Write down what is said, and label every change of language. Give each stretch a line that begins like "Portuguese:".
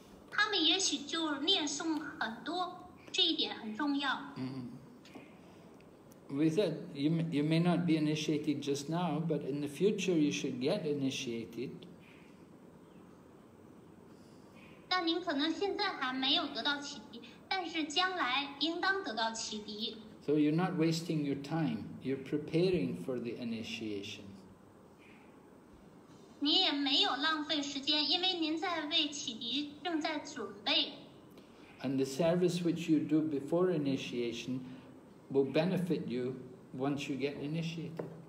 Chinese: 他们也许就念诵很多，这一点很重要。嗯，
English: We said you may not be initiated just now, but in the future you should get initiated.
Chinese: 但您可能现在还没有得到启迪，但是将来应当得到启迪。
English: So you're not wasting your time. You're preparing for the initiation.
Chinese: 你也没有浪费时间，因为您在为启迪正在准备。
English: And the service which you do before initiation will benefit you once you get initiated.